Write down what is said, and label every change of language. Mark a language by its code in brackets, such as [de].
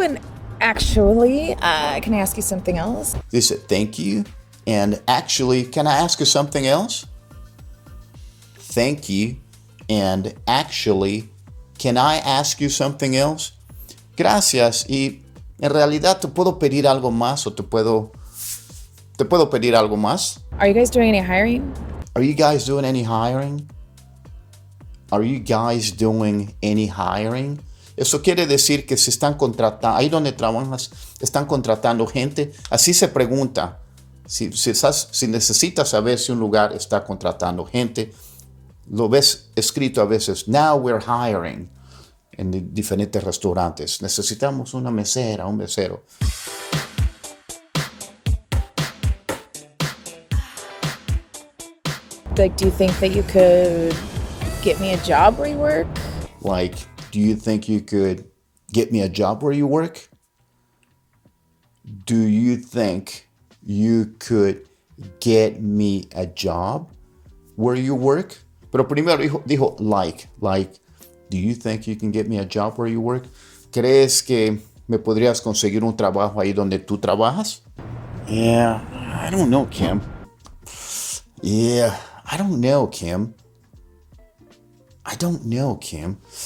[en] And actually, can I ask you something else? Dice, thank you. And actually, can I ask you something else? Thank you. And actually, can I ask you something else? [es] Gracias. Y en realidad, ¿te puedo pedir algo más o te puedo pedir algo más? [en] Are you guys doing any hiring? Are you guys doing any hiring? Are you guys doing any hiring? [es] Eso quiere decir que se están contratando, ahí donde trabajas, están contratando gente. Así se pregunta. Si necesitas saber si un lugar está contratando gente, lo ves escrito a veces, [en] now we're hiring, [es] en diferentes restaurantes. Necesitamos una mesera, un mesero. [en] Like, do you think that you could get me a job where you work? Like, do you think you could get me a job where you work? Do you think you could get me a job where you work? [es] Pero primero dijo [en] like, do you think you can get me a job where you work? [es] ¿Crees que me podrías conseguir un trabajo ahí donde tú trabajas? [en] Yeah, I don't know, Kim. Yeah, I don't know, Kim. I don't know, Kim.